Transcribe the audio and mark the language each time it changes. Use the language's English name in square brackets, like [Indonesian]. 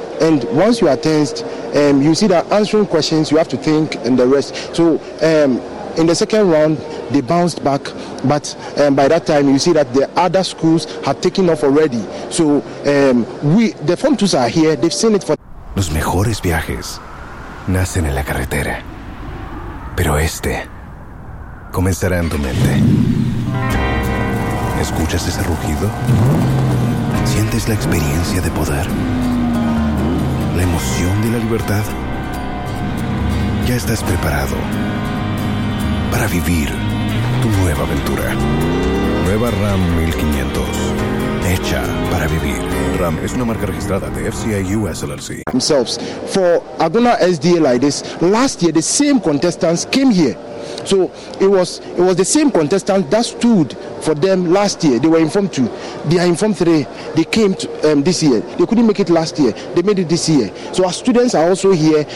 [English] And once you are tensed, you see that answering questions, you have to think and the rest. So in the second round, they bounced back, but by that time you see that the other schools had taken off already. So the Form 2s are here, they've seen it for... [Spanish] Los mejores viajes nacen en la carretera, pero este comenzará en tu mente. ¿Escuchas ese rugido? ¿Sientes la experiencia de poder? ¿La emoción de la libertad? Ya estás preparado para vivir tu nueva aventura. Nueva Ram 1500. Hecha para vivir. Ram es una marca registrada de FCA US LLC. [English] Themselves. For Aguna SDA like this, last year the same contestants came here. So it was the same contestant that stood for them last year. They were in Form 2. They are in Form 3. They came to, this year. They couldn't make it last year. They made it this year. So our students are also here.